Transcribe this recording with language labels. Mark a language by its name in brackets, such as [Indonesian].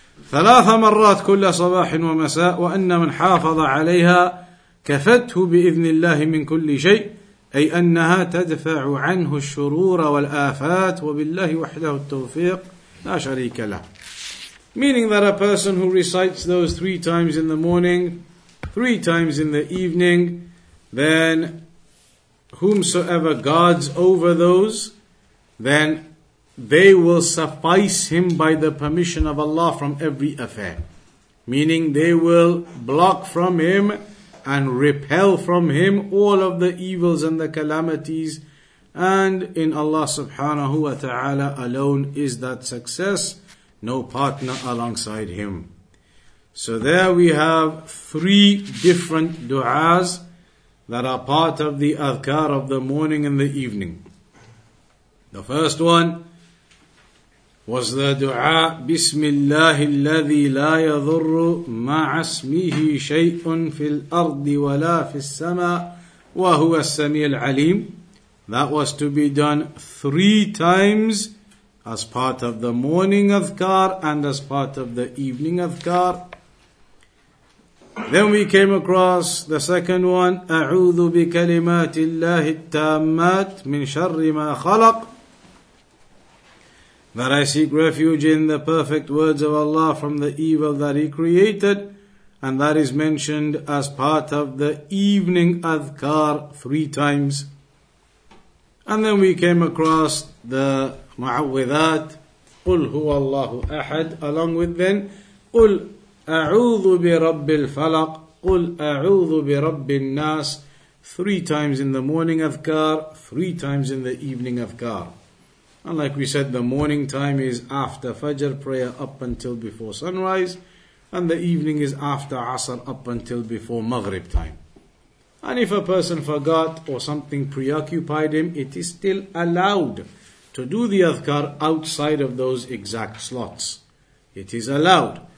[Arabic] ثلاث مرات كل صباح ومساء وأن من حافظ عليها كفته بإذن الله من كل شيء أي أنها تدفع عنه الشرور والآفات وبالله وحده التوفيق لا شريك له. [English] Meaning that a person who recites those 3 times in the morning, 3 times in the evening, then whomsoever guards over those, then they will suffice him by the permission of Allah from every affair. Meaning they will block from him and repel from him all of the evils and the calamities. And in Allah subhanahu wa ta'ala alone is that success, no partner alongside him. So there we have 3 different du'as that are part of the adhkar of the morning and the evening. The first one was the dua, [Arabic] Bismillahi الذي لا يضر مع اسمه شيء في الأرض ولا في السماء وهو السميع العليم. [English] That was to be done 3 times as part of the morning adhkar and as part of the evening adhkar. Then we came across the second one, [Arabic] أعوذ بكلمات الله التامات من شر ما خلق. [English] That I seek refuge in the perfect words of Allah from the evil that He created. And that is mentioned as part of the evening adhkar 3 times. And then we came across the mu'awwidhat, [Arabic] قُلْ هُوَ اللَّهُ أَحَدْ, [English] along with then, [Arabic] قُلْ أعوذ برب الفلق قل أعوذ برب الناس. [English] Three times in the morning adhkar, three times in the evening adhkar. And like we said, the morning time is after Fajr prayer up until before sunrise, and the evening is after Asr up until before Maghrib time. And if a person forgot or something preoccupied him, it is still allowed to do the adhkar outside of those exact slots. It is allowed.